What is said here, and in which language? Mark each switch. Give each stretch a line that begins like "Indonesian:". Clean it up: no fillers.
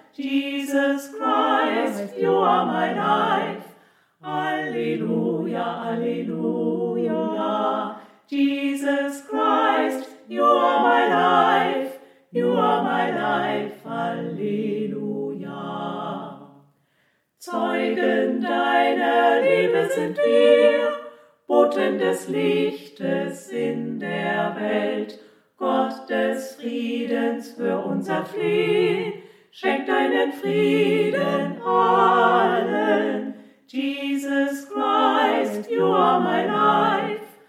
English: Jesus Christ, you are my life. Alleluia, alleluia. Jesus Christ, you are my life, you are my life, alleluia.
German: Zeugen deiner Liebe sind wir, Boten des Lichtes in der Welt, Gott des Friedens für unser Flehen, schenk deinen Frieden allen.
English: Jesus Christ, you are my life.